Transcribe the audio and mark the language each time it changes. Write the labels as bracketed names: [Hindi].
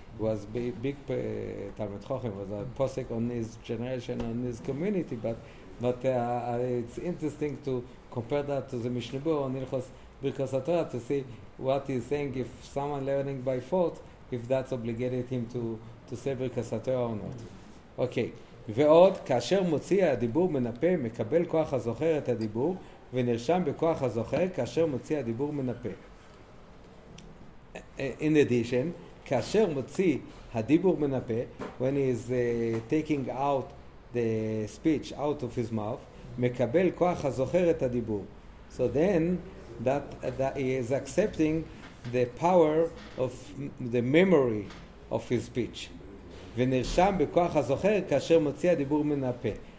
[English] Was big Talmud Chochem, was a posek on his generation, on his community, but it's interesting to compare that to the Mishneh Berurah on Hilchos Birkas HaTorah to see what he's saying, if someone learning by fault, if that's obligated him to say Birkas HaTorah or not. Okay. [Hebrew] ועוד, כאשר מוציא הדיבור מנפה, מקבל כוח הזוכר את הדיבור, ונרשם בכוח הזוכר כאשר מוציא הדיבור מנפה. [English] In addition, [Hebrew] כאשר מוציא הדיבור מנפה, [English] when he is taking out the speech out of his mouth, [Hebrew] מקבל כוח הזוכר את הדיבור. [English] So then, that he is accepting the power of the memory of his speech. [Hebrew] ונרשם בכוח הזוכר כאשר מוציא הדיבור מנפה.